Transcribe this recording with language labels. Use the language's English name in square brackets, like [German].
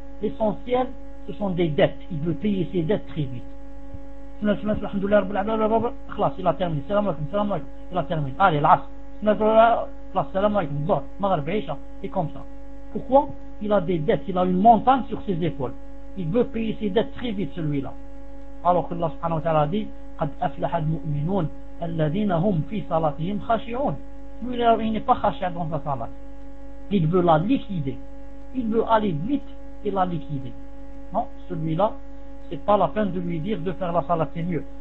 [French] L'essentiel, ce sont des dettes. Il veut payer ses dettes très vite. Il a terminé. Salam alaikum. Allez, l'as. Et comme ça. Pourquoi? Il a des dettes, il a une montagne sur ses épaules. Il veut payer ses dettes très vite, celui-là. Alors que Allah subhanahu wa ta'ala dit, [Arabic] قَدْ أَفْلَحَ الْمُؤْمِنُونَ الَّذِينَ هُمْ فِي صَلَاتِهِمْ خَشِعُونَ. [French] Lui, il n'est pas khashi' dans sa salat. Il veut la liquider. Il veut aller vite et la liquider. Non, celui-là, c'est pas la peine de lui dire de faire la salat, c'est mieux.